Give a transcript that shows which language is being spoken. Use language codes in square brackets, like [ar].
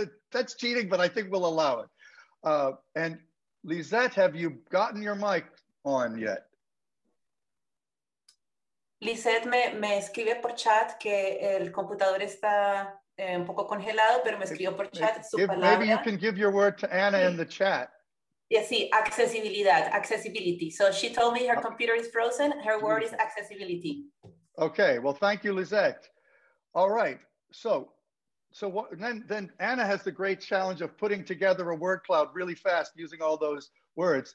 [en] That's cheating, but I think we'll allow it. And Lisette, have you gotten your mic on yet? [es] Lisette me escribe por chat que el computador está un poco congelado, pero me escribió por chat su palabra. [en] Maybe you can give your word to Anna in the chat. Yes, sí, accessibility. So she told me her computer is frozen. Her word is accessibility. Okay, well, thank you, Lisette. All right, So then Anna has the great challenge of putting together a word cloud really fast using all those words.